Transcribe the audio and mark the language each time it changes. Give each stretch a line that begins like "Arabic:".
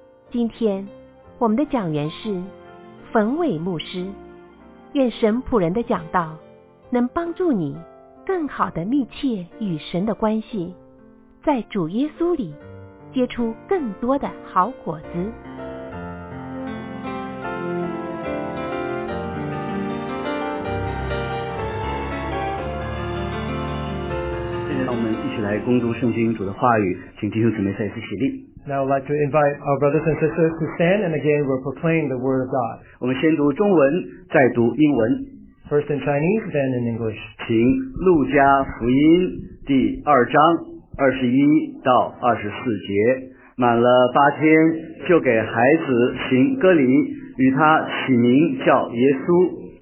Chinese: 今天我们的讲员是冯伟牧师，愿神仆人的讲道能帮助你更好地密切与神的关系，在主耶稣里结出更多的好果子。现在让我们一起来恭读圣经主的话语，请弟兄姊妹再次起立。
English: Now I'd like to invite our brothers and sisters to stand, and again we'll proclaim the word of God.
Chinese: 我们先读中文，再读英文。
English: First in Chinese, then in English.
Chinese: 请路加福音第二章21-24节，满了八天，就给孩子行割礼，与他起名叫耶稣。